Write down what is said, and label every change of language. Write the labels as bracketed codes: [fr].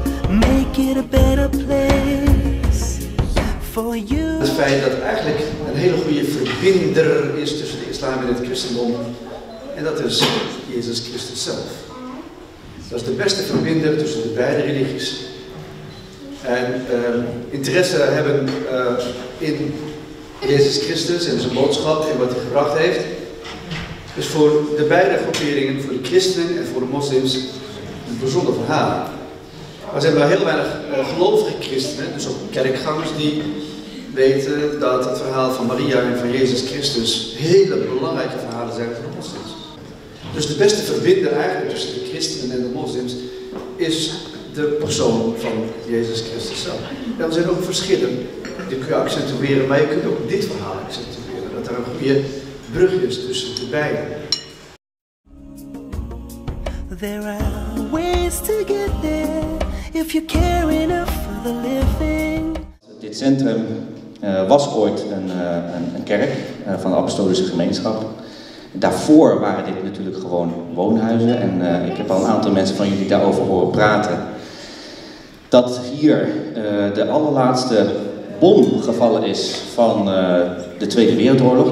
[en] Make it a better place for you. [nl] Het feit dat eigenlijk een hele goede verbinder is tussen de islam en het christendom, en dat is Jezus Christus zelf. Dat is de beste verbinder tussen de beide religies. En interesse hebben in Jezus Christus en zijn boodschap en wat hij gebracht heeft, is voor de beide groeperingen, voor de christenen en voor de moslims, een bijzonder verhaal. Maar er zijn wel heel weinig gelovige christenen, dus ook kerkgangers, die weten dat het verhaal van Maria en van Jezus Christus hele belangrijke verhalen zijn voor de moslims. Dus de beste verbinder eigenlijk tussen de christenen en de moslims is de persoon van Jezus Christus zelf. En er zijn ook verschillen, die kun je accentueren, maar je kunt ook dit verhaal accentueren, dat er een goede brug is tussen de beiden. [en] There are ways to get there. If you care enough for the living. [nl] Dit centrum was ooit een kerk van de apostolische gemeenschap. Daarvoor waren dit natuurlijk gewoon woonhuizen. En ik heb al een aantal mensen van jullie daarover horen praten. Dat hier de allerlaatste bom gevallen is van de Tweede Wereldoorlog.